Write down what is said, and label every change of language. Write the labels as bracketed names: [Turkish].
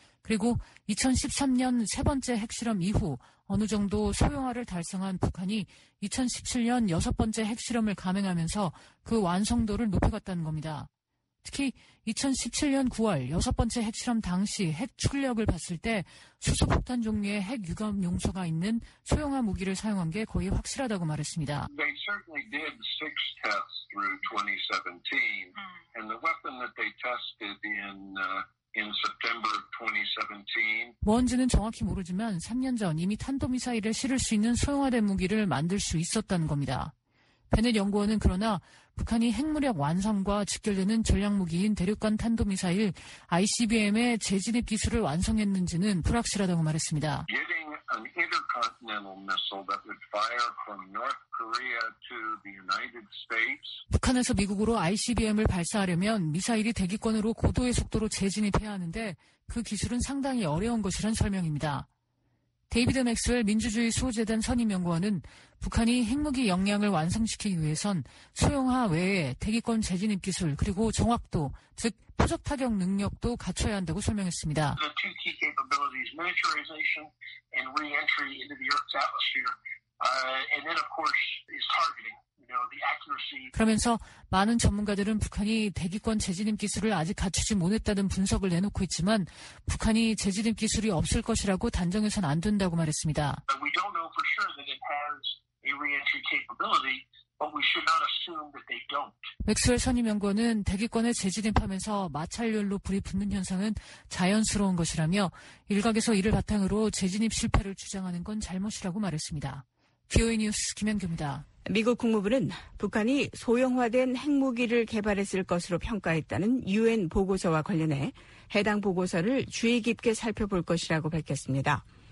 [Korean] 그리고 2013년 세 번째 핵실험 이후 어느 정도 소형화를 달성한 북한이 2017년 여섯 번째 핵실험을 감행하면서 그 완성도를 높여갔다는 겁니다. 특히 2017년 9월 여섯 번째 핵실험 당시 핵 출력을 봤을 때 수소폭탄 종류의 핵 유감 용서가 있는 소형화 무기를 사용한 게 거의 확실하다고 말했습니다. [English] They certainly did six tests through 2017, and the weapon that they tested in September 2017. [Korean] 뭔지는 정확히 모르지만 3년 전 이미 탄도미사일을 실을 수 있는 소형화된 무기를 만들 수 있었다는 겁니다. 베넷 연구원은 그러나 북한이 핵무력 완성과 직결되는 전략무기인 대륙간 탄도미사일 ICBM의 재진입 기술을 완성했는지는 불확실하다고 말했습니다. [English] Getting an intercontinental missile that would fire from North Korea to the United States. [Korean] 북한에서 미국으로 ICBM을 발사하려면 미사일이 대기권으로 고도의 속도로 재진입해야 하는데 그 기술은 상당히 어려운 것이란 설명입니다. 데이비드 맥스웰 민주주의 수호재단 선임연구원은 북한이 핵무기 역량을 완성시키기 위해선 소형화 외에 대기권 재진입 기술 그리고 정확도, 즉 표적타격 능력도 갖춰야 한다고 설명했습니다. [English] The two key capabilities, miniaturization and re-entry into the Earth's atmosphere, and then of course is targeting. [Korean] 그러면서 많은 전문가들은 북한이 대기권 재진입 기술을 아직 갖추지 못했다는 분석을 내놓고 있지만 북한이 재진입 기술이 없을 것이라고 단정해선 안 된다고 말했습니다. [English] We don't know for sure that it has a re-entry capability, but we should not assume that they don't. [Korean] 맥스웰 선임 연구원은 대기권에 재진입하면서 마찰열로 불이 붙는 현상은 자연스러운 것이라며 일각에서 이를 바탕으로 재진입 실패를 주장하는 건 잘못이라고 말했습니다. BOA 뉴스 김현규입니다. 미국 국무부는 북한이 소형화된 핵무기를 개발했을 것으로 평가했다는 유엔 보고서와 관련해 해당 보고서를 주의 깊게 살펴볼 것이라고 밝혔습니다.